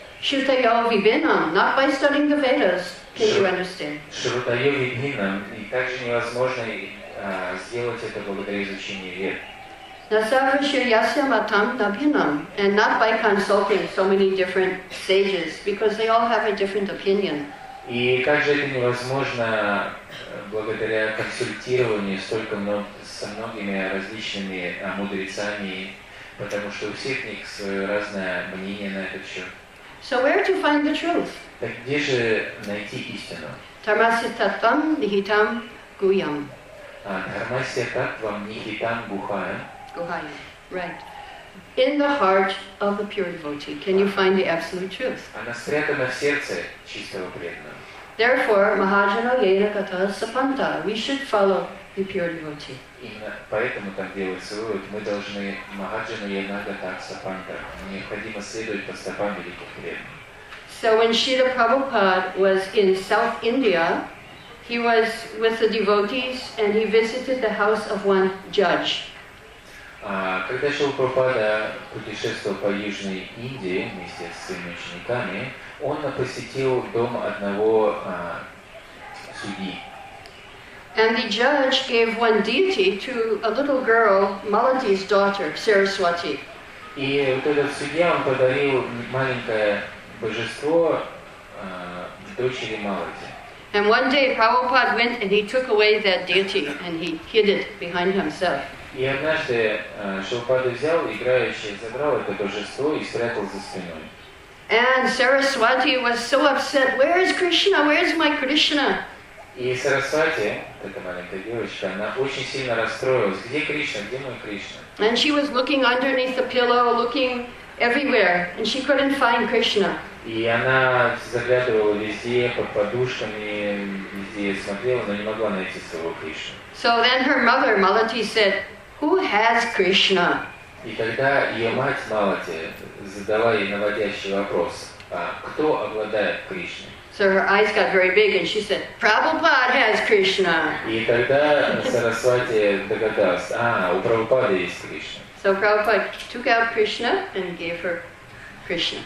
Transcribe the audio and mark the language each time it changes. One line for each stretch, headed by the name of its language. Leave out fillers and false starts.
Sanskrit: Shrutayo vibhinnam,
English: not by studying the Vedas, can you understand?
Sanskrit: Shrutayo vibhinnam,
Russian: и также невозможно сделать это благодаря изучению Вед.
Sanskrit: Nasavashya yasya matam nabhinnam,
English: and not by consulting so many different sages, because they all have a different opinion.
Russian: И как же это невозможно благодаря консультированию со многими различными мудрецами, потому что у всех них свое разное мнение на этот счет.
English: So where to find the truth?
Russian: Так где же найти истину?
Sanskrit: Тармасе таттвам нихитам гуйям. Тармасе таттвам нихитам гухая.
English: Гухая, right. In the heart of the pure devotee, can you find the absolute truth?
Russian: Она спрятана в сердце чистого преданного.
English: Therefore,
Sanskrit: Mahajana Yena Kata Sapanta,
English: we should follow the pure devotee.
Russian: Именно поэтому так делается вывод, мы должны
Sanskrit: Махаджану Янагата Сапанта,
Russian: необходимо следовать по стопам великих преданных.
English: So when Srila Prabhupada was in South India, he was with the devotees and he visited the house of one judge.
Russian: Когда Шрила Прабхупада путешествовал по Южной Индии вместе с своими учениками, он посетил дом одного судьи.
English: And the judge gave one deity to a little girl, Malati's daughter, Saraswati.
Russian: И вот этот судья он подарил маленькое божество дочери Малати.
English: And one day Prabhupada went and he took away that deity and he hid it behind himself.
Russian: И однажды Шилпада взял, играющий, забрал это божество и спрятал за спиной.
English: And Saraswati was so upset. Where is Krishna? Where is my Krishna?
Russian: И Сарасвати, эта маленькая девочка, она очень сильно расстроилась. Где Кришна? Где мой Кришна?
English: And she was looking underneath the pillow, looking everywhere, and she couldn't find Krishna.
Russian: И она заглядывала везде, под подушками, везде смотрела, но не могла найти своего Кришну.
English: So then her mother, Malati, said, "Who has Krishna?"
Russian: И тогда ее мать, Малати, задала ей наводящий вопрос, кто обладает Кришной?
English: So her eyes got very big and she said, Prabhupada has Krishna.
Russian: И тогда Сарасвати догадался, у Прабхупады есть Кришна.
English: So Prabhupada took out Krishna and gave her Krishna.